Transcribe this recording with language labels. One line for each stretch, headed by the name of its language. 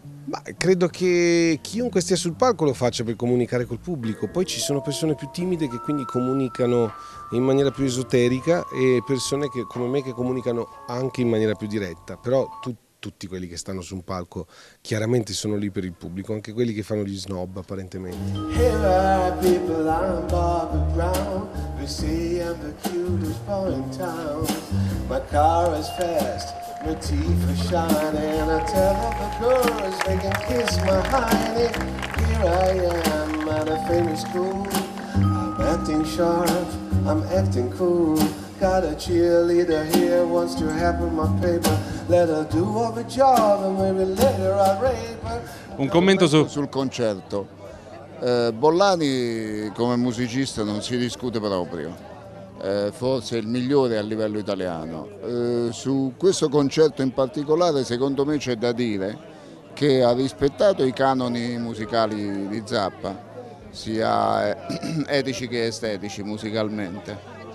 Italian: Ma credo che chiunque stia sul palco lo faccia per comunicare col pubblico, poi ci sono persone più timide che quindi comunicano in maniera più esoterica e persone che, come me, che comunicano anche in maniera più diretta, però tutti quelli che stanno su un palco chiaramente sono lì per il pubblico, anche quelli che fanno gli snob apparentemente.
English: Here are people, I'm Bobby Brown, we see I'm the cutest boy in town, my car is fast, my teeth are shiny, and I tell the girls they can kiss my hiney. Here I am at a famous school, I'm acting sharp, I'm acting cool, got a cheerleader here, wants to have my paper, let her do her job and maybe later I rape her.
Italian: Un commento sul concerto. Bollani come musicista non si discute proprio. Forse il migliore a livello italiano. Su questo concerto in particolare, secondo me c'è da dire che ha rispettato i canoni musicali di Zappa, sia etici che estetici musicalmente.